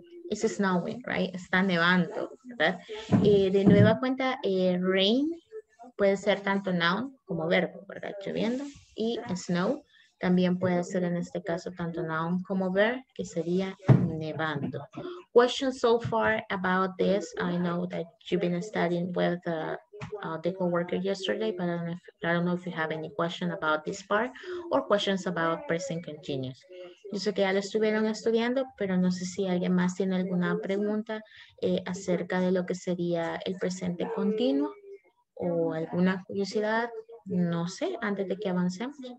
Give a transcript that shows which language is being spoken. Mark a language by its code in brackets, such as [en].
[en] It's snowing, right? [es] Está nevando, ¿verdad? De nueva cuenta, rain puede ser tanto noun como verbo, ¿verdad? Lloviendo. Y snow también puede ser en este caso tanto noun como verb, que sería nevando. [en] Question so far about this. I know that you've been studying with the co-worker yesterday, but I don't know if you have any question about this part or questions about present continuous. [es] Yo sé que ya lo estuvieron estudiando, pero no sé si alguien más tiene alguna pregunta acerca de lo que sería el presente continuo o alguna curiosidad, no sé, antes de que avancemos.